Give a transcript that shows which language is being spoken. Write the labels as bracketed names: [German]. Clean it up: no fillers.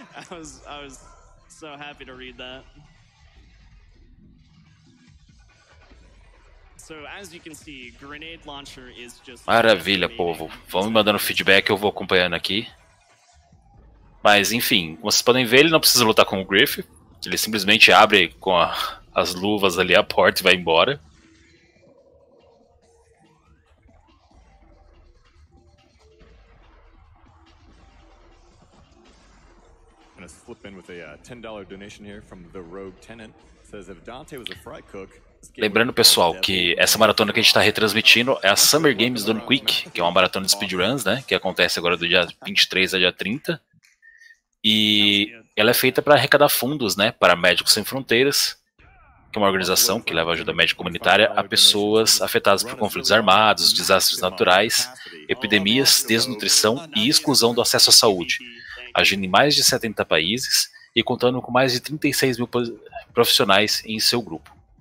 [English] I was so happy to read that. So as you can see, grenade launcher is just [Portuguese] maravilha, povo. Vão me mandando feedback, eu vou acompanhando aqui. Mas enfim, como vocês podem ver, ele não precisa lutar com o Griffin. Ele simplesmente abre com as luvas ali a porta e vai embora. [English] Gonna slip in with a $10 donation here from the Rogue Tenant. Says if Dante was a fry cook. [Portuguese] Lembrando pessoal que essa maratona que a gente está retransmitindo é a Summer Games Done Quick, que é uma maratona de speedruns, né? Que acontece agora do dia 23 ao dia 30. E ela é feita para arrecadar fundos, né, para Médicos Sem Fronteiras, que é uma organização que leva ajuda médica comunitária a pessoas afetadas por conflitos armados, desastres naturais, epidemias, desnutrição e exclusão do acesso à saúde, agindo em mais de 70 países e contando com mais de 36 mil profissionais em seu grupo.